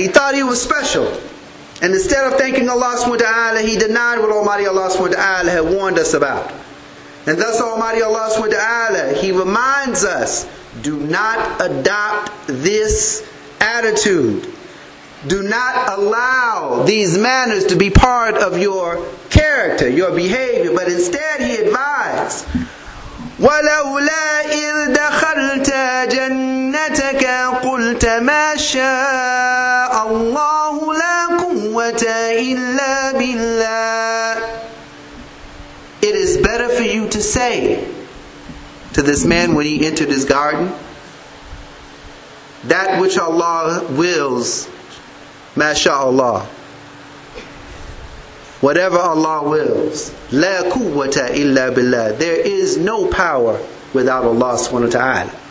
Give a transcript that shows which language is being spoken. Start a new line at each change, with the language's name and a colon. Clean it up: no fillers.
English: He thought he was special. And instead of thanking Allah subhanahu wa ta'ala, he denied what Almighty Allah subhanahu wa ta'ala had warned us about. And thus Almighty Allah subhanahu wa ta'ala, He reminds us, do not adopt this attitude. Do not allow these manners to be part of your character, your behavior. But instead He advised,
Arabic: وَلَوْلَا إِذْ دَخَلْتَ جَنَّتَكَ قُلْتَ مَا شَاءَ اللَّهُ لَا قُوَّةَ إِلَّا بِاللَّهِ.
English: It is better for you to say to this man when he entered his garden, that which Allah wills, mashallah, whatever Allah wills, la quwwata illa billah, there is no power without Allah subhanahu wa ta'ala.